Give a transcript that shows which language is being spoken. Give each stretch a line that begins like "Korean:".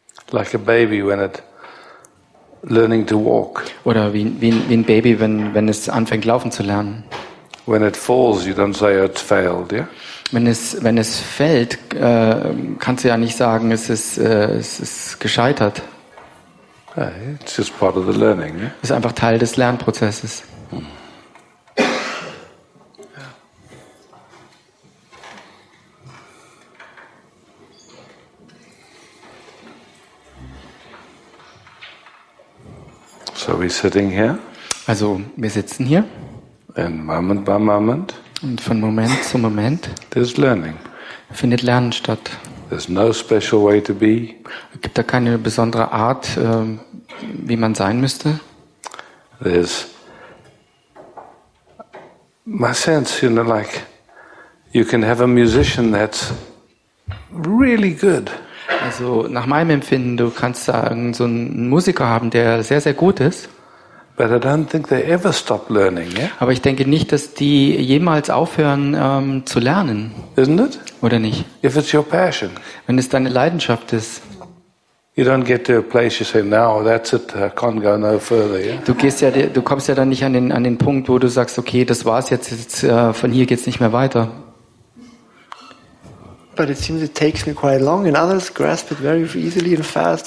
English: Like a baby when it learning to walk.
German: Oder wie ein Baby, wenn es anfängt laufen zu lernen.
English: When it falls, you don't say it's failed, yeah?
German: Wenn es fällt, kannst du ja nicht sagen, es ist gescheitert.
English: Hey, it's just part of the learning, yeah?
German: Es ist einfach Teil des Lernprozesses.
English: So we're sitting here.
German: Also, wir sitzen hier.
English: And moment by moment.
German: Und von Moment zu Moment.
English: There's learning.
German: Findet Lernen statt.
English: There's no special way to be.
German: Gibt da keine besondere Art, wie man sein müsste?
English: There's my sense, you know, like you can have a musician that's really good.
German: Also nach meinem Empfinden, du kannst sagen, so einen Musiker haben, der sehr, sehr gut ist.
English: But I don't think they ever stop learning, yeah?
German: Aber ich denke nicht, dass die jemals aufhören zu lernen.
English: Isn't it?
German: Oder nicht?
English: If it's your passion.
German: Wenn es deine Leidenschaft ist.
English: You don't get to a place you say, now that's it, I can't go no further, yeah?
German: Du kommst ja dann nicht an den Punkt, wo du sagst, okay, das war's jetzt von hier geht's nicht mehr weiter.
English: But it seems it takes me quite long, and others grasp it very easily and fast.